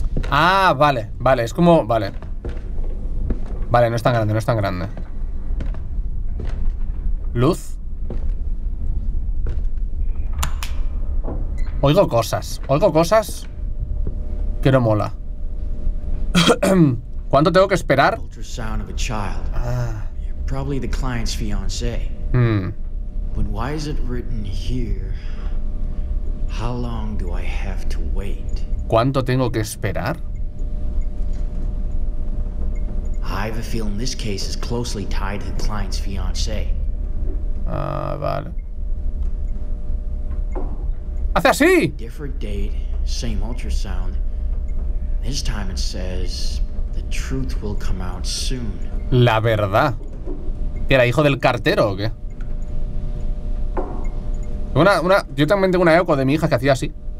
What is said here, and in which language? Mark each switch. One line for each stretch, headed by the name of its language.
Spanish: Ah, vale, vale, es como. Vale. Vale, no es tan grande, no es tan grande. Luz. Oigo cosas. Oigo cosas. Que no mola. ¿Cuánto tengo que esperar?
English: Ultrasound of a child. Probably the client's fiance. But why is it written here? How long do I have to wait?
Spanish: ¿Cuánto tengo que esperar?
English: I have a feeling this case is closely tied to the client's fiancé.
Spanish: Ah, vale. ¡Hace así!
English: Different date, same ultrasound. This time it says the truth will come out soon.
Spanish: La verdad. ¿Que era hijo del cartero o qué? Yo también tengo una eco de mi hija que hacía así.